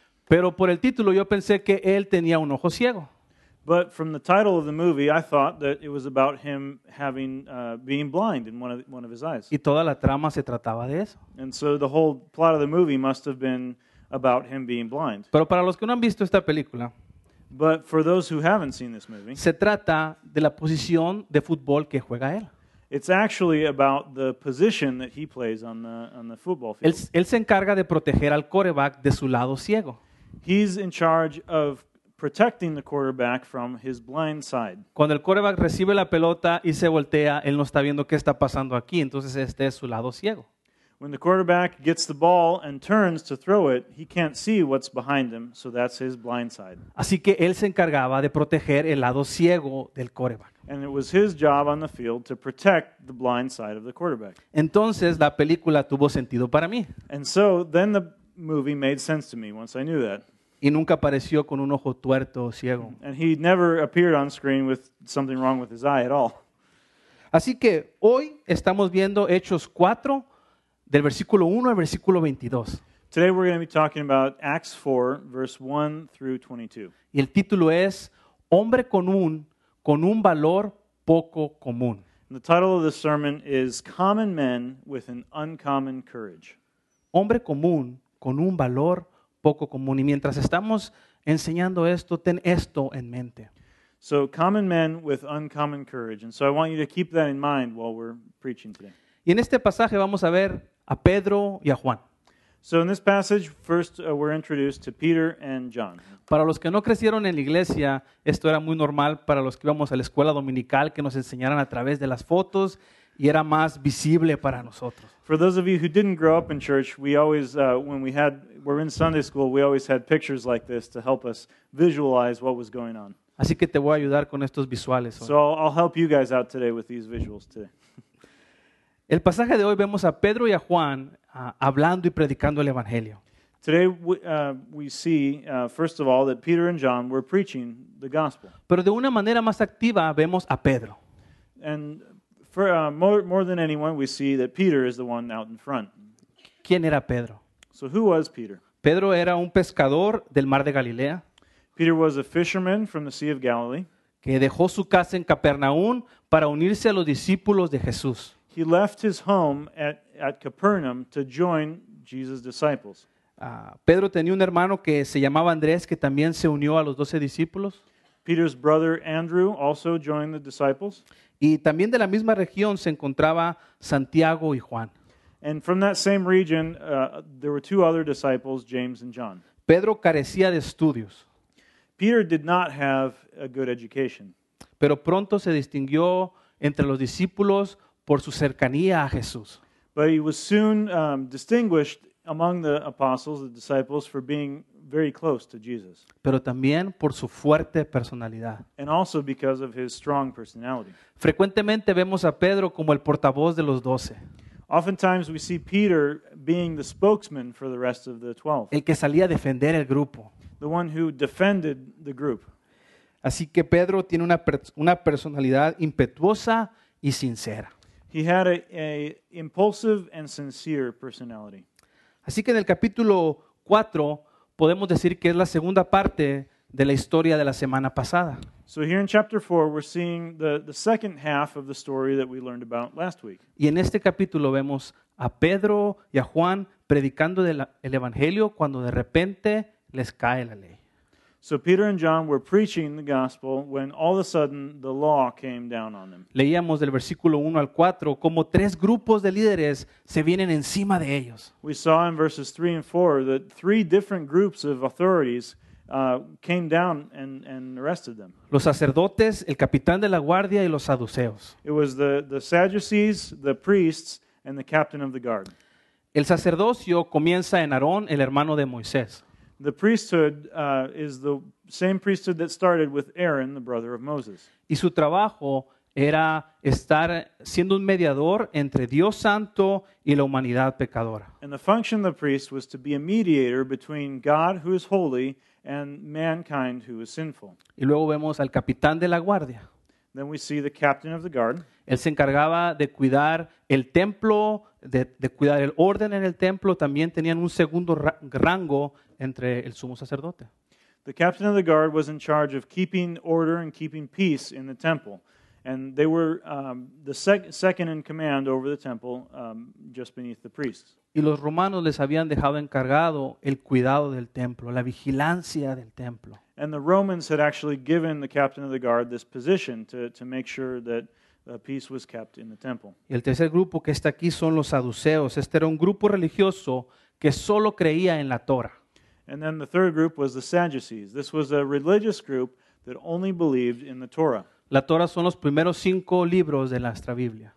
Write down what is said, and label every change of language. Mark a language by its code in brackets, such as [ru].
[es] Pero por el título yo pensé que él tenía un ojo ciego. [en] But from the title of the movie, I thought that it was about him having being blind in one of his eyes. [es] Y toda la trama se trataba de eso. [en] And so the whole plot of the movie must have been about him being blind. [es] Pero para los que no han visto esta película, [en] but for those who haven't seen this movie, [es] se trata de la posición de fútbol que juega él. [en] It's actually about the position that he plays on the football field. [es] Él se encarga de proteger al quarterback de su lado ciego. [en] He's in charge of protecting the quarterback from his blind side. [es] Cuando el quarterback recibe la pelota y se voltea, él no está viendo qué está pasando aquí, entonces este es su lado ciego. [en] When the quarterback gets the ball and turns to throw it, he can't see what's behind him, so that's his blind side. [es] Así que él se encargaba de proteger el lado ciego del quarterback. [en] And it was his job on the field to protect the blind side of the quarterback. [es] Entonces la película tuvo sentido para mí. [en] And so then the movie made sense to me once I knew that. [es] Y nunca apareció con un ojo tuerto o ciego. [en] And he never appeared on screen with something wrong with his eye at all. [es] Así que hoy estamos viendo Hechos 4, del versículo 1 al versículo 22. [en] Today we're going to be talking about Acts 4, verse 1 through 22. [es] Y el título es, Hombre comun, con un valor poco común. [en] And the title of the sermon is, Common Men with an Uncommon Courage. [es] Hombre comun, con un valor poco común. Y mientras estamos enseñando esto, ten esto en mente. [en] So, common men with uncommon courage. And so I want you to keep that in mind while we're preaching today. [es] Y en este pasaje vamos a ver a Pedro y a Juan. [en] So in this passage, first we're introduced to Peter and John. [es] Para los que no crecieron en la iglesia, esto era muy normal para los que íbamos a la escuela dominical, que nos enseñaran a través de las fotos y era más visible para nosotros. [en] For those of you who didn't grow up in church, we always, when we had, we're in Sunday school, we always had pictures like this to help us visualize what was going on. [es] Así que te voy a ayudar con estos visuales. [en] So I'll help you guys out today with these visuals today. [es] El pasaje de hoy vemos a Pedro y a Juan hablando y predicando el evangelio. [en] Today we see first of all that Peter and John were preaching the gospel. [es] Pero de una manera más activa vemos a Pedro. [en] And for more than anyone we see that Peter is the one out in front. [es] ¿Quién era Pedro? [en] So who was Peter? [es] Pedro era un pescador del mar de Galilea. [en] Peter was a fisherman from the Sea of Galilee. [es] Que dejó su casa en Capernaum para unirse a los discípulos de Jesús. [en] He left his home at Capernaum to join Jesus' disciples. [es] Pedro tenía un hermano que se llamaba Andrés que también se unió a los 12 discípulos. [en] Peter's brother Andrew also joined the disciples. [es] Y también de la misma región se encontraba Santiago y Juan. [en] And from that same region, there were two other disciples, James and John. [es] Pedro carecía de estudios. [en] Peter did not have a good education. [es] Pero pronto se distinguió entre los discípulos por su cercanía a Jesús. [en] But he was soon distinguished among the apostles, the disciples, for being very close to Jesus. [es] Pero también por su fuerte personalidad. [en] And also because of his strong personality. [es] Frecuentemente vemos a Pedro como el portavoz de los doce. [en] Oftentimes we see Peter being the spokesman for the rest of the 12. [es] El que salía a defender el grupo. [en] The one who defended the group. [es] Así que Pedro tiene una personalidad impetuosa y sincera. [en] He had a impulsive and sincere personality. [es] Así que en el capítulo 4 podemos decir que es la segunda parte de la historia de la semana pasada. [en] So here in chapter 4 we're seeing the second half of the story that we learned about last week. [es] Y en este capítulo vemos a Pedro y a Juan predicando el evangelio cuando de repente les cae la ley. [en] So Peter and John were preaching the gospel when all of a sudden the law came down on them. [es] Leíamos del versículo 1 al 4 como tres grupos de líderes se vienen encima de ellos. [en] We saw in verses 3 and 4 that three different groups of authorities came down and arrested them. [es] Los sacerdotes, el capitán de la guardia y los saduceos. [en] It was the Sadducees, the priests, and the captain of the guard. [es] El sacerdocio comienza en Aarón, el hermano de Moisés. [en] The priesthood is the same priesthood that started with Aaron, the brother of Moses. [es] Y su trabajo era estar siendo un mediador entre Dios Santo y la humanidad pecadora. [en] And the function of the priest was to be a mediator between God, who is holy, and mankind, who is sinful. [es] Y luego vemos al capitán de la guardia. [en] Then we see the captain of the guard. [es] Él se encargaba de cuidar el templo, de cuidar el orden en el templo. También tenían un segundo rango entre el sumo sacerdote. [en] The captain of the guard was in charge of keeping order and keeping peace in the temple. And they were second in command over the temple, just beneath the priests. [es] Y los romanos les habían dejado encargado el cuidado del templo, la vigilancia del templo. [en] And the Romans had actually given the captain of the guard this position to make sure that peace was kept in the temple. [es] Y el tercer grupo que está aquí son los saduceos. Este era un grupo religioso que solo creía en la Torah. [en] And then the third group was the Sadducees. This was a religious group that only believed in the Torah. [es] La Torah son los primeros cinco libros de nuestra Biblia.